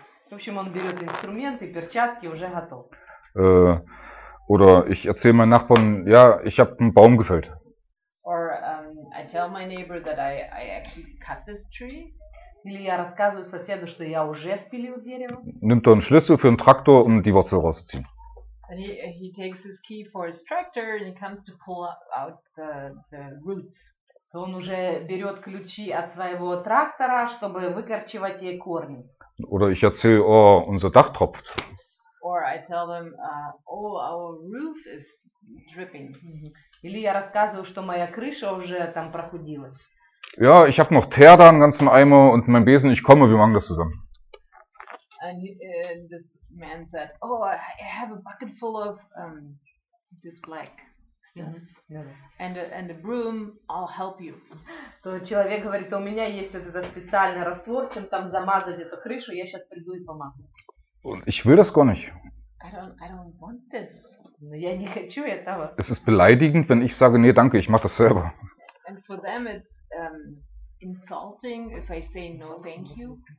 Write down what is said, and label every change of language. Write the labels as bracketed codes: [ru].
[ru] В общем, он берет инструменты, перчатки, уже готов. [de] Oder ich erzähle meinen Nachbarn, ja, ich habe einen Baum gefällt. [en] Or I tell my neighbor that I actually cut this tree. [ru] Или я рассказываю соседу, что я уже спилил дерево. [de] Nimmt er einen Schlüssel für einen Traktor, um die Wurzel rauszuziehen. [en] He takes his key for his tractor and he comes to pull out the roots. [ru] То он уже берет ключи от своего трактора, чтобы выкорчевать ей корни. [de] Oder ich erzähle, unser Dach tropft. [en] Or I tell them, our roof is dripping. [ru] Или я рассказываю, что моя крыша уже там прохудилась. [de] Ja, ich habe noch Teer da, einen ganzen Eimer und mein Besen. Ich komme, wir machen das zusammen. [en] And this man said, oh, I have a bucket full of this black stuff. And a broom, I'll help you. [ru] То человек говорит, у меня есть вот этот специальный раствор, чем там замазать эту крышу, я сейчас приду и помогу. [de] Und ich will das gar nicht. [en] I don't want this. [ru] Но я не хочу этого. [de] Es ist beleidigend, wenn ich sage, nee, danke, ich mache das selber. [en] And for them it's insulting if I say no, thank you.